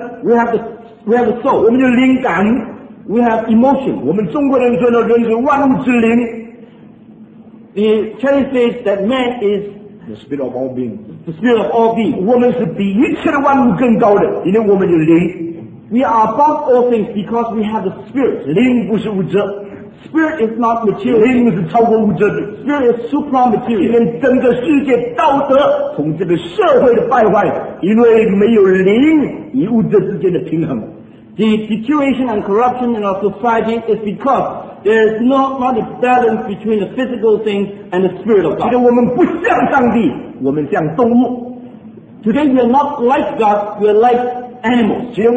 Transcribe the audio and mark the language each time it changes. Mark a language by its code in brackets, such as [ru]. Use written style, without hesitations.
[en] We have the soul. [zh] 我们有灵感。 [en] We have emotion. [zh] 我们中国人说的人是万物之灵。 [en] The Chinese says that man is the spirit of all beings. The spirit of all beings. [zh] 我们是比一切的万物更高的，因为我们有灵。 [en] We are above all things because we have the spirit. [zh] 灵不是物质。 [en] Spirit is not material. [zh] 灵是超过物质的。 [en] Spirit is supramaterial. [zh] 因为整个世界道德从这个社会的败坏，因为没有灵与物质之间的平衡。 [en] The deterioration and corruption in our society is because there is not a balance between the physical thing and the spirit of God. [zh] 其实我们不像上帝，我们像动物。 [en] Today we are not like God, we are like animals.